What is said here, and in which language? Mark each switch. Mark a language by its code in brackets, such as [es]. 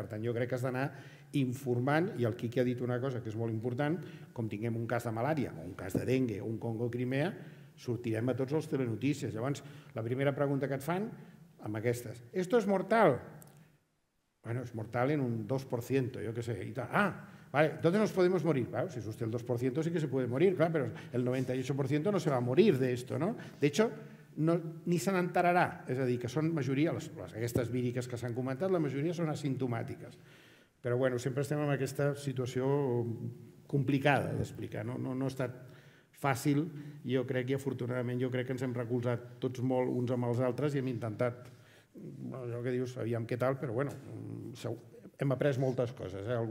[ca] Per tant, jo crec que has d'anar informant, i el Quique ha dit una cosa que és molt important, com tinguem un cas de malària, o un cas de dengue, o un Congo Crimea, sortirem a tots els telenotícies. Llavors, la primera pregunta que et fan, amb aquestes, [es] ¿esto es mortal? Bueno, es mortal en un 2%, [ca] jo què sé, i tal. [es] Ah, vale, ¿dónde nos podemos morir? Claro, si es usted el 2% sí que se puede morir, claro, pero el 98% no se va a morir de esto, ¿no? De hecho, no, [ca] ni se n'entararà, és a dir, que són majoria, aquestes víriques que s'han comentat, la majoria són asimptomàtiques. Però bueno, sempre estem en aquesta situació complicada d'explicar, no ha estat fàcil, jo crec, i afortunadament jo crec que ens hem recolzat tots molt uns amb els altres i hem intentat, allò que dius, aviam què tal, però bueno, segur, hem après moltes coses, eh?